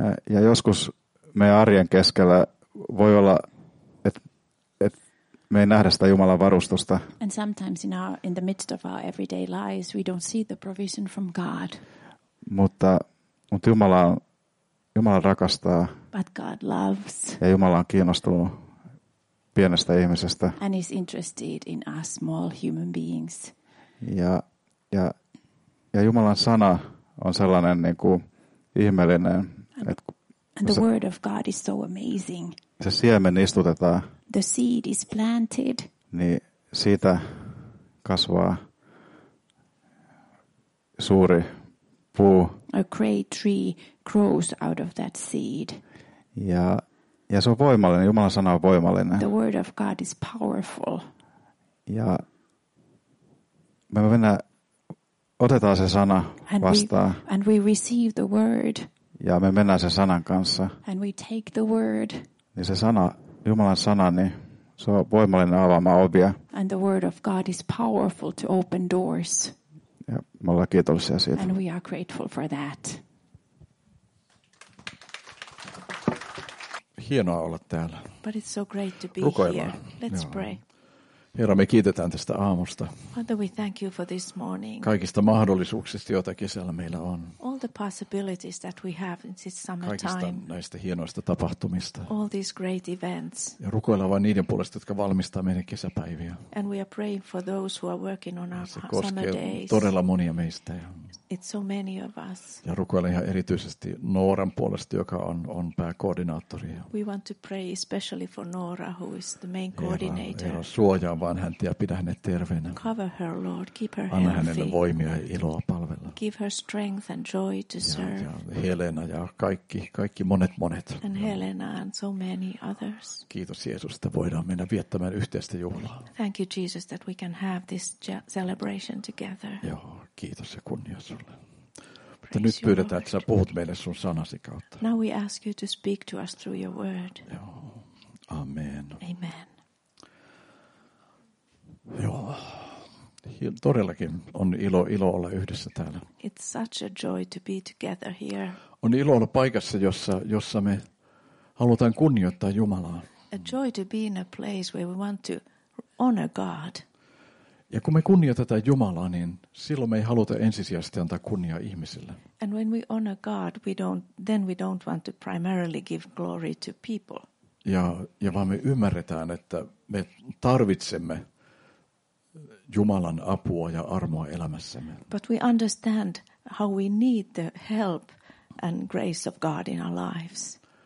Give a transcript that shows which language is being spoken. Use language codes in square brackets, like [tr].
[fi] Ja joskus meidän arjen keskellä voi olla, että me ei nähdä sitä Jumalan varustusta. [en] And sometimes in the midst of our everyday lives we don't see the provision from God. [fi] Mutta Jumala rakastaa. [en] But God loves. [fi] Ja Jumala on kiinnostunut pienestä ihmisestä. [en] And is interested in us small human beings. [fi] Ja Jumalan sana on sellainen niin kuin ihmeellinen. [en] And the word of God is so amazing. [fi] Se siemen istutetaan. [en] The seed is planted. [fi] Niin siitä kasvaa suuri puu. [en] A great tree grows out of that seed. [fi] Ja se on voimallinen. Jumalan sana on voimallinen. [en] The word of God is powerful. [fi] Ja me mennään, otetaan se sana vastaan. [en] And we receive the word. [fi] Ja me mennään sen sanan kanssa. [en] And we take the word. [fi] Niin se sana, Jumalan sana, niin se on voimallinen avaamaan ovia. [en] And the word of God is powerful to open doors. [fi] Ja me ollaan kiitollisia siitä. [en] And we are grateful for that. [fi] Hienoa olla täällä. [en] But it's so great to be [fi] Rukoillaan. [en] Here. Let's Joo. pray. [fi] Herra, me kiitetään tästä aamusta. [en] Father, we thank you for this morning. [fi] Kaikista mahdollisuuksista, joita kesällä meillä on. [en] All the possibilities that we have in this summertime. [fi] Kaikista näistä hienoista tapahtumista. [en] All these great events. [fi] Ja rukoillaan vain niiden puolesta, jotka valmistaa meidän kesäpäiviä. [en] And we are praying for those who are working on our summer days. [fi] Se koskee todella monia meistä. [en] It's so many of us. [fi] Ja rukoillaan ihan erityisesti Nooran puolesta, joka on pääkoordinaattori. [en] We want to pray especially for Nora, who is the main coordinator. [fi] Herra, suojaa vaan häntä ja pidä hänet terveenä. [en] Cover her, Lord. Keep her healthy. [fi] Anna hänelle voimia ja iloa palvella. [en] Give her strength and joy to serve. [fi] Ja Helena ja kaikki monet. [en] And Helena and so many others. [fi] Kiitos Jeesus, että voidaan mennä viettämään yhteistä juhlaa. [en] Thank you Jesus that we can have this celebration together. [fi] Joo, kiitos ja kunnia. Mutta nyt pyydetään, että sä puhut meille sun sanasi kautta. [en] Now we ask you to speak to us through your word. Amen. Amen. Joo. [fi] Todellakin on ilo olla yhdessä täällä. [en] It's such a joy to be together here. [fi] On ilo olla paikassa, jossa me halutaan kunnioittaa Jumalaa. [en] A joy to be in a place where we want to honor God. [fi] Ja kun me kunnioitetaan Jumalaa, niin silloin me ei haluta ensisijaisesti antaa kunniaa ihmisille. [en] And when we honor God, we don't want to primarily give glory to people. [fi] Ja vaan me ymmärretään, että me tarvitsemme Jumalan apua ja armoa elämässämme. [en] But we understand how we need the help and grace of God in our lives.